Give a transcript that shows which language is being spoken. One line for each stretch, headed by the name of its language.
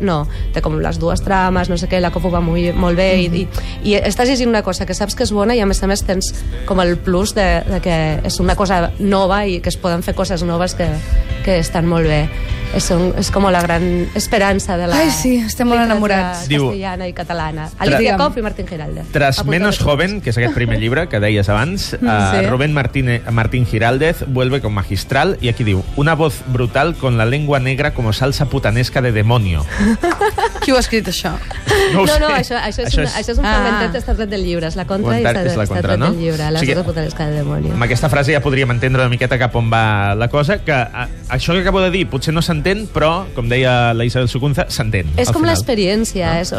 Catalan: No, té com les dues trames, no sé què, la Kov ho va molt bé. I estàs llegint una cosa que saps que és bona i a més a més tens com el plus de que és una cosa nova i que es poden fer coses noves que estan molt bé. És com la gran esperança de la... Ai, sí, estem molt enamorats. ...castellana i catalana. Alicia Kov i Martín Giralde.
Spanish: Tras Menos Joven,
Catalan: que és aquest primer llibre que deies abans,
Spanish: Rubén Martín Giraldez vuelve con Magistral
Catalan: i aquí diu,
Spanish: una voz brutal con la lengua negra como salsa putanesca de demonio.
Catalan: Qui ho ha escrit, això? No, això és un comentet extret del llibre, és la contra i extret del llibre,
Spanish: la salsa putanesca de demonio.
Catalan: Amb aquesta frase ja podríem entendre una miqueta cap on va la cosa, que això que acabo de dir, potser no s'entén, però, com deia la Isabel Sucunza, s'entén. És com l'experiència. No?